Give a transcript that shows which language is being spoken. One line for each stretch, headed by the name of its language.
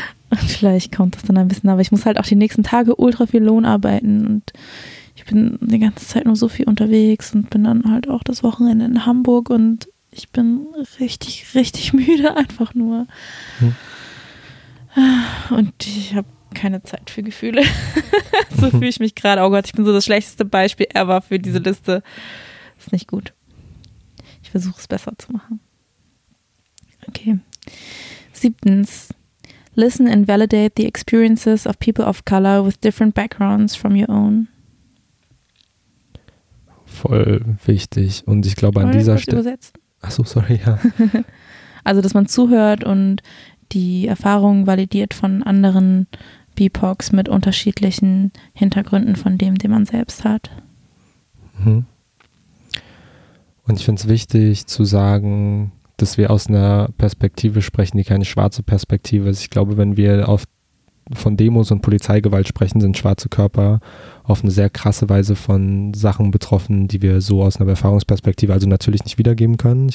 German: Und vielleicht kommt das dann ein bisschen. Aber ich muss halt auch die nächsten Tage ultra viel Lohn arbeiten und ich bin die ganze Zeit nur so viel unterwegs und bin dann halt auch das Wochenende in Hamburg und ich bin richtig, richtig müde einfach nur. Und ich habe keine Zeit für Gefühle. So fühle ich mich gerade. Oh Gott, ich bin so das schlechteste Beispiel ever für diese Liste. Ist nicht gut. Ich versuche es besser zu machen. Okay. 7.
English: Listen and validate the experiences of people of color with different backgrounds from your own.
German: Voll wichtig. Und ich glaube, an dieser Stelle. Achso, sorry, ja. Also, dass man zuhört und die Erfahrungen validiert von anderen BIPOCs mit unterschiedlichen Hintergründen von dem, den man selbst hat. Und ich finde es wichtig zu sagen, dass wir aus einer Perspektive sprechen, die keine schwarze Perspektive ist. Ich glaube, wenn wir von Demos und Polizeigewalt sprechen, sind schwarze Körper auf eine sehr krasse Weise von Sachen betroffen, die wir so aus einer Erfahrungsperspektive also natürlich nicht wiedergeben können.